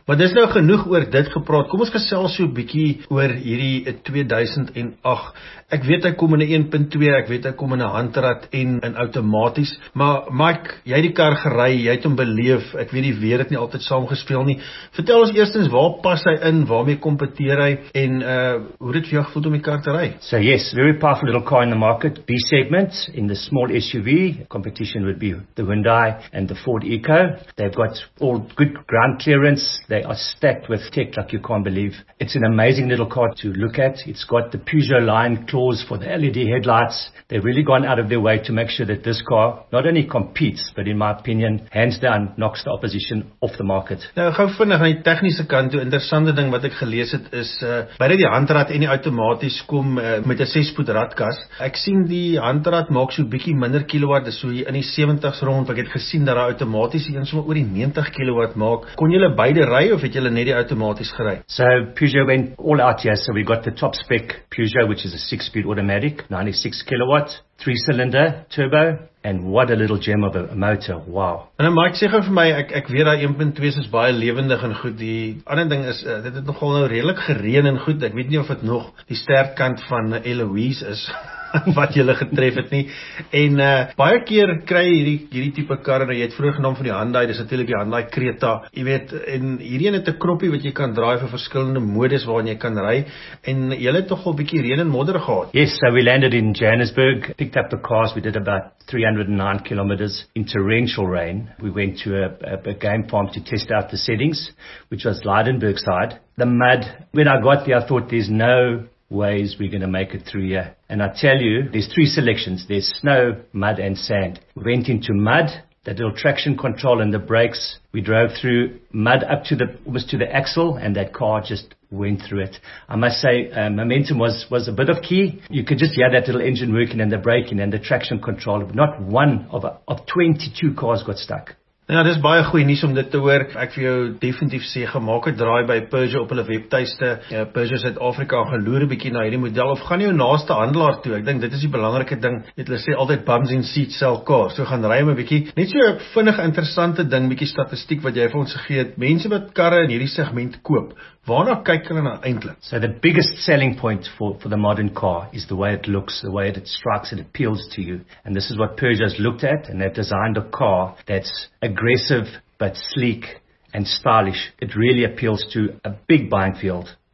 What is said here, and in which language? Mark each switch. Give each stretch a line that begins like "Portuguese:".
Afrikaans: Maar dis nou genoeg oor dit gepraat, kom ons gesels so 'n bietjie oor hierdie 2008. Ek weet hy kom in 'n 1.2, ek weet hy kom in 'n handrat en in outomaties, maar Mike, jy het die kar gery, jy het hom beleef, ek weet die weer het nie altyd saamgespeel nie. Vertel ons eerstens, waar pas hy in, waarmee kompeteer hy en hoe dit vir jou gevoel om die kar te ry?
English: So yes, very powerful little car in the market, B segment, in the small SUV, competition would be the Hyundai and the Ford Eco. They've got all good ground clearance, they are stacked with tech like you can't believe. It's an amazing little car to look at, it's got the Peugeot line claws for the LED headlights. They've really gone out of their way to make sure that this car not only competes, but in my opinion, hands down, knocks the opposition off the market.
Afrikaans: Nou, gou vinnig aan die tegniese kant toe, interessante ding wat ek gelees het is, beide die handrat en die outomaties kom met 'n 6-voet ratkas. Ek sien die handrat maak so 'n bietjie minder kilowatt, dis so hier in die 70s rond. Ek het gesien dat die outomaties eens sommer oor die 90 kilowatt maak. Kon julle beide ry of het julle net die outomaties gery?
English: So Peugeot went all out here, so we got the top spec Peugeot, which is a 6-speed automatic, 96 kilowatt, 3-cylinder turbo. And what a little gem of a motor, wow.
Afrikaans: En dan Mike, sê gou vir my, ek weet daai 1.2 is baie lewendig en goed. Die ander ding is, dit het nogal nou redelik gereën en goed. Ek weet nie of dit nog die sterkkant van Eloise is wat julle getref het nie. En baie keer kry hierdie tipe karre, jy het vroeër genoem van die Hyundai, dis natuurlik die Hyundai Creta, jy weet, en hierdie een het 'n knoppie wat jy kan draai vir verskillende modus waarin jy kan ry, en julle het tog 'n bietjie reën en modder gehad.
English: Yes, so we landed in Johannesburg, picked up the cars, we did about 309 kilometers in torrential rain. We went to a game farm to test out the settings, which was Lydenburg side. The mud, when I got there, I thought there's no ways we're going to make it through here. And I tell you, there's three selections. There's snow, mud, and sand. We went into mud, that little traction control and the brakes. We drove through mud up to the, almost to the axle, and that car just went through it. I must say, momentum was a bit of key. You could just hear that little engine working and the braking and the traction control. Not one of 22 cars got stuck.
Afrikaans: Nou, dit is baie goeie nuus om dit te hoor. Ek vir jou definitief sê, gemaak het draai by Peugeot op hulle webtuiste, Peugeot Suid-Afrika, geloer 'n bietjie na hierdie model of gaan jou naaste handelaar toe. Ek dink dit is die belangrike ding. Het hulle sê altyd
English: bums in seats sell cars.
Afrikaans: So gaan ry hom 'n bietjie. Net so 'n vinnige interessante ding, bietjie statistiek wat jy vir ons gegee het. Mense wat karre in hierdie segment koop, waarna kyk hulle nou eintlik?
English: So the biggest selling point for the modern car is the way it looks, the way it strikes and appeals to you. And this is what Peugeot has looked at and they've designed a car that's aggressive but sleek and stylish. It really appeals to a big buying field.